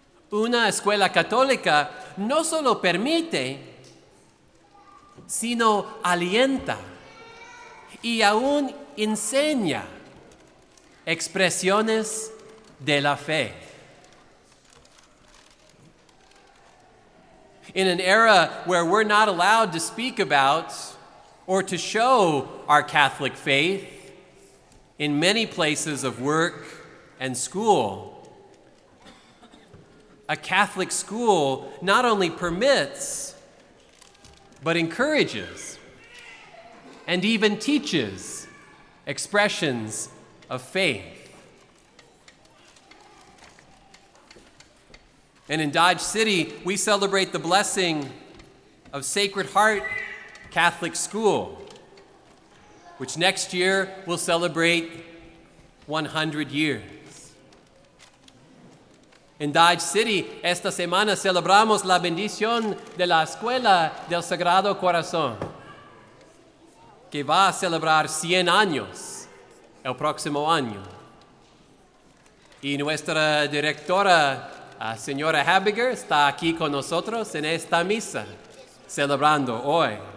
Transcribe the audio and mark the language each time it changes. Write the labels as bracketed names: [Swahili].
[Spanish] Una escuela católica no solo permite, sino alienta y aún enseña expresiones de la fe. [English] In an era where we're not allowed to speak about or to show our Catholic faith in many places of work and school, a Catholic school not only permits, but encourages, and even teaches expressions of faith. And in Dodge City, we celebrate the blessing of Sacred Heart Catholic School, which next year will celebrate 100 years. In Dodge City, [Spanish] esta semana celebramos la bendición de la Escuela del Sagrado Corazón, que va a celebrar 100 años el próximo año. Y nuestra directora, señora Habiger, está aquí con nosotros en esta misa, celebrando hoy.